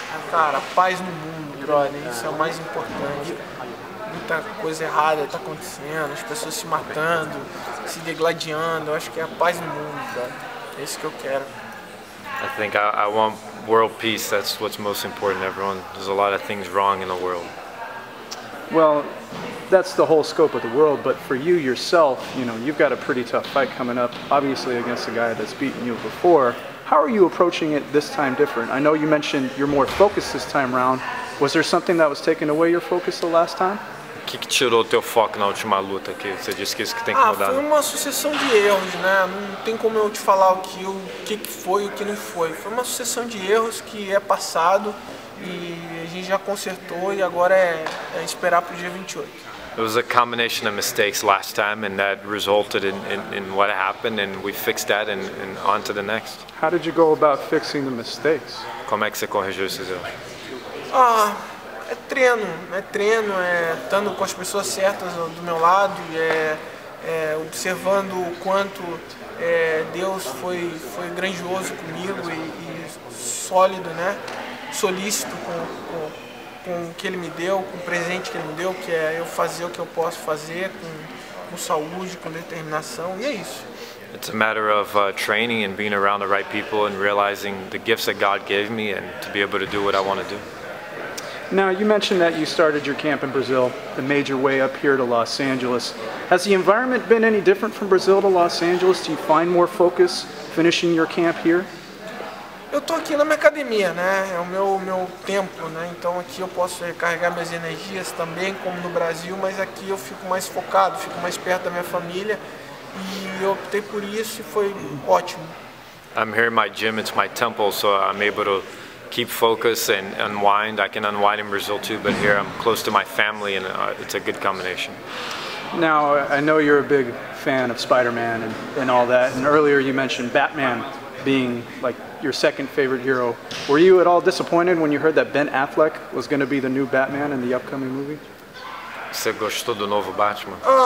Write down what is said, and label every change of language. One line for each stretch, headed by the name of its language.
Portuguese: Cara, paz no mundo, brother. Isso é o mais importante. Muita coisa errada está acontecendo, as pessoas se matando, se degladiando. Eu acho que é a paz no mundo, brother. É isso que eu quero.
English: I think I want world peace. That's what's most important, everyone. There's a lot of things wrong in the world. Well, that's the whole scope of the world, but for you yourself, you know, you've got a pretty tough fight coming up, obviously against a guy that's beaten you before. How are you approaching it this time different? I know you mentioned you're more focused this time around. Was there something that was taking away your focus the last time?
Portuguese: Que tirou teu foco na última luta, que você disse que isso que tem que mudar? Ah, foi uma sucessão de erros, né? Não tem como eu te falar o que foi e o que não foi. Foi uma sucessão de erros que é passado e a gente já consertou e agora é esperar pro dia 28.
English: It was a combination of mistakes last time, and that resulted in what happened, and we fixed that, and on to the next. How did you go about fixing the mistakes?
Portuguese: Como é que você corrigiu esses erros? Ah, é treino, é estando com as pessoas certas do meu lado, é observando o quanto Deus foi grandioso comigo e sólido, né? Solícito com o que ele me deu, com o presente que ele me deu, que é eu fazer o que eu posso fazer com saúde, com determinação, e é isso.
English: It's a matter of training and being around the right people and realizing the gifts that God gave me and to be able to do what I want to do. Now, you mentioned that you started your camp in Brazil, the major way up here to Los Angeles. Has the environment been any different from Brazil to Los Angeles? Do you find more focus finishing your camp here?
Portuguese: Eu tô aqui na minha academia, né? É o meu templo, né? Então aqui eu posso recarregar minhas energias também, como no Brasil, mas aqui eu fico mais focado, fico mais perto da minha família e eu optei por isso e foi ótimo.
English: I'm here in my gym, it's my temple, so I'm able to keep focus and unwind. I can unwind in Brazil too, but here I'm close to my family and it's a good combination. Now, I know you're a big fan of Spider-Man and all that, and earlier you mentioned Batman being like your second favorite hero. Were you at all disappointed when you heard that Ben Affleck was going to be the new Batman in the upcoming movie?
Portuguese: Você gostou do novo Batman?